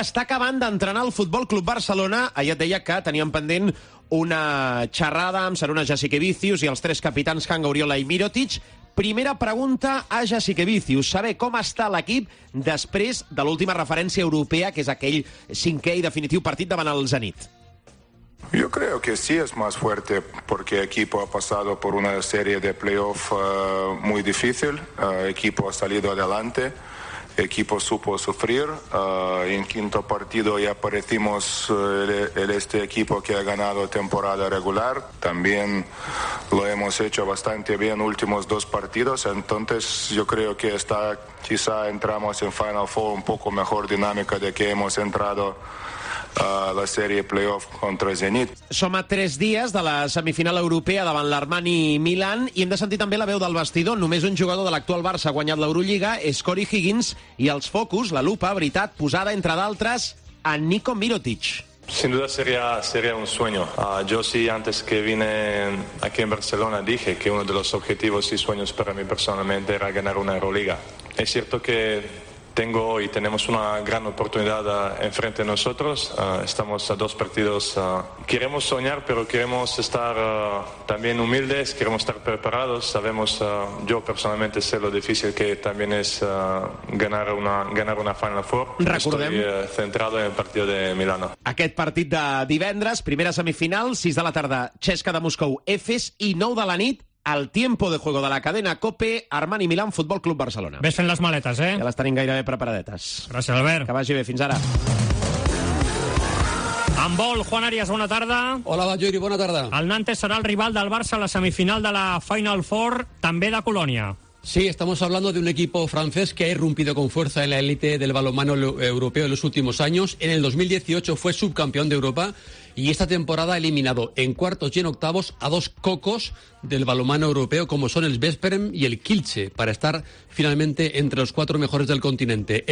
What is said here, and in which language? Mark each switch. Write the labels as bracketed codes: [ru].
[ca] Està acabant d'entrenar el Futbol Club Barcelona. Ahir et deia que teníem pendent una xerrada amb Saruna Jasikevicius i els tres capitans, Can Gauriola i Mirotic. Primera pregunta a Jasikevicius: saber com està l'equip després de l'última referència europea, que és aquell cinquè i definitiu partit davant el Zenit. [es] Yo creo que sí es más fuerte porque el equipo ha pasado por una serie de playoffs muy difícil, el equipo ha salido adelante, el equipo supo sufrir, en quinto partido ya parecimos este equipo que ha ganado temporada regular, también lo hemos hecho bastante bien últimos dos partidos, entonces yo creo que está, quizá entramos en Final Four un poco mejor dinámica de que hemos entrado [ca] la sèrie playoff contra Zenit. Som a 3 dies de la semifinal europea davant l'Armani Milan i hem de sentir també la veu del vestidor. Només un jugador de l'actual Barça ha guanyat l'Eurolliga, és Corey Higgins, i els focus, la lupa, veritat, posada, entre d'altres, en Nico Mirotic. [es] Sin duda sería un sueño. Yo sí, antes que vine aquí en Barcelona, dije que uno de los objetivos y sueños para mí personalmente era ganar una Euroliga. Es cierto que tengo y tenemos una gran oportunidad enfrente de nosotros. Estamos a 2 partidos. Queremos soñar, pero queremos estar también humildes, queremos estar preparados. Sabemos, yo personalmente sé lo difícil que también es ganar una Final Four. [ca] Recordem. [es] Estoy centrado en el partido de Milano. [ca] Aquest partit de divendres, primera semifinal, 6 de la tarda, Xesca de Moscou, Efes, i 9 de la nit, al tiempo de juego de la cadena COPE, Armani Milán, Futbol Club Barcelona. [es] Ves en las maletas, ¿eh? Ya las [ca] tenim gairebé preparadetes. Gràcies, Albert. Que vagi bé, fins ara. Handbol, Juan Arias, bona tarda. Hola, Valleri, bona tarda. El Nantes serà el rival del Barça a la semifinal de la Final Four, també de Colònia. [es] Sí, estamos hablando de un equipo francés que ha irrumpido con fuerza en la élite del balonmano europeo en los últimos años. En el 2018 fue subcampeón de Europa y esta temporada ha eliminado en cuartos y en octavos a 2 cocos del balonmano europeo como son el Veszprém y el Kielce para estar finalmente entre los 4 mejores del continente.